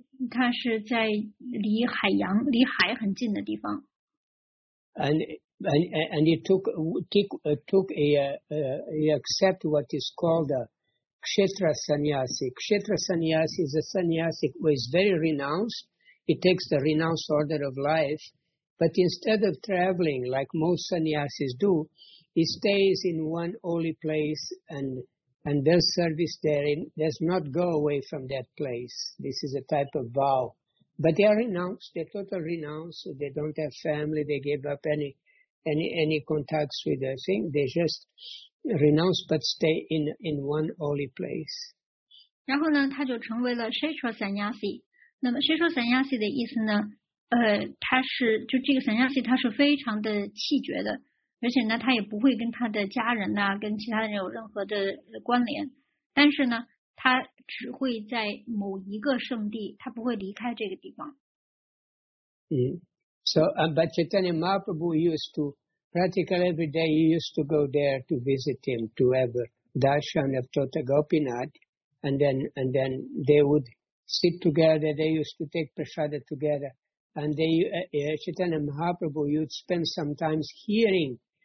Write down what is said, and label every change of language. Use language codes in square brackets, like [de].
[zh] 它是在离海洋离海很近的地方。 [en] And he he accepted what is called a Kshetra Sannyasi. Kshetra Sannyasi is a sannyasi who is very renounced. He takes the renounced order of life. But instead of traveling like most sannyasis do, he stays in one holy place and does service there, and does not go away from that place. This is a type of vow. But they are renounced, they're totally renounced, they don't have family, they gave up any contacts with the thing, they just renounce but stay in one holy place. [zh] 然后呢他就成为了 Kshetra Sannyasi. 那么 Kshetra Sannyasi 的意思呢他是就这个 Sannyasi 他是非常的气绝的。而且呢他也不会跟他的家人啊跟其他人有任何的关联。但是呢他只会在某一个圣地他不会离开这个地方。 [en] But Chaitanya Mahaprabhu used to, practically every day he used to go there to visit him, to have a darshan of Tota Gopinath, and then they would sit together, they used to take prasada together, and Chaitanya Mahaprabhu would spend some time hearing